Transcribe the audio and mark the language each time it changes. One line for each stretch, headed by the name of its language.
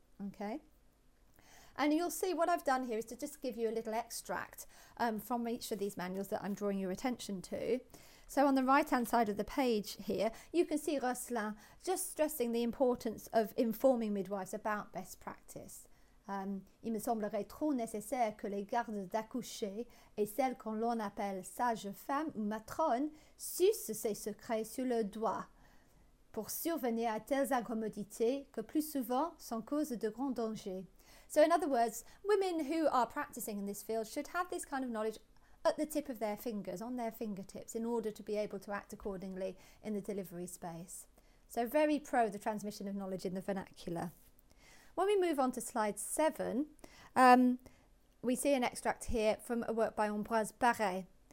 English: Okay, and you'll see what I've done here is to just give you a little extract from each of these manuals that I'm drawing your attention to. So on the right-hand side of the page here, you can see Roslin just stressing the importance of informing midwives about best practice.
French: Il me semblerait trop nécessaire que les gardes d'accoucher et celles qu'on l'on appelle sage-femme ou matrone sucent ces secrets sur le doigt pour survenir à telles incommodités que plus souvent sont cause de grands dangers.
English: So in other words, women who are practicing in this field should have this kind of knowledge at the tip of their fingers, on their fingertips, in order to be able to act accordingly in the delivery space. So very pro the transmission of knowledge in the vernacular. When we move on to slide 7, we see an extract here from a work by Ambroise Paré.